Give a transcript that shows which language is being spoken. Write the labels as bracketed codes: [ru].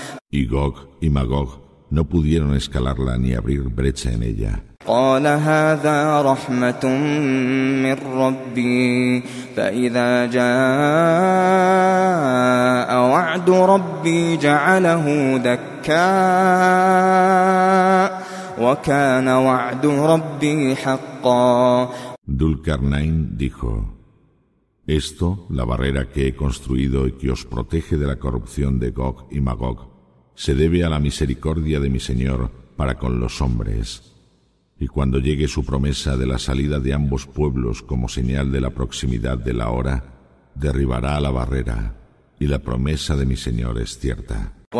[es] Y Gog y Magog no pudieron escalarla ni abrir brecha en ella. [ar] قال هذا رحمة من ربي فإذا جاء وعد ربي جعله دكاء وكان وعد ربي حقا. [es] Dhul-Qarnayn dijo: «Esto, la barrera que he construido y que os protege de la corrupción de Gog y Magog, se debe a la misericordia de mi Señor para con los hombres. Y cuando llegue su promesa de la salida de ambos pueblos como señal de la proximidad de la hora, derribará la barrera, y la promesa de mi Señor es cierta».